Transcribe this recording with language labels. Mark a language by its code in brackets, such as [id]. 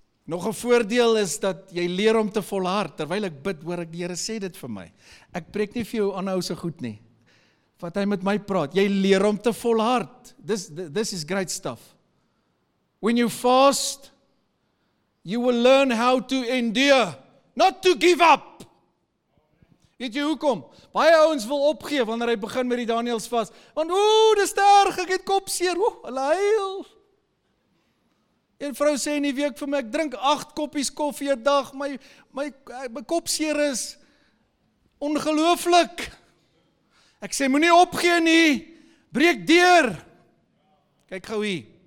[af] Nog 'n voordeel is dat jy leer om te volhard. Terwyl ek bid, hoor ek die Here sê dit vir my. Ek preek nie vir jou aanhou so goed nie. Wat hy met my praat, jy leer om te volhard. [en] This is great stuff. When you fast, you will learn how to endure, not to give up. [af] Weet jy hoekom? Baie ouens wil opgee wanneer hy begin met die Daniels vas. Want oeh, dis te erg, ek het kopseer. Oeh, hulle huil. Een vrou sê in die week vir my, ek drink 8 koppies koffie 'n dag. My kopseer is ongelooflik. Ek sê, moenie opgee nie. Breek deur. Kyk gou hier.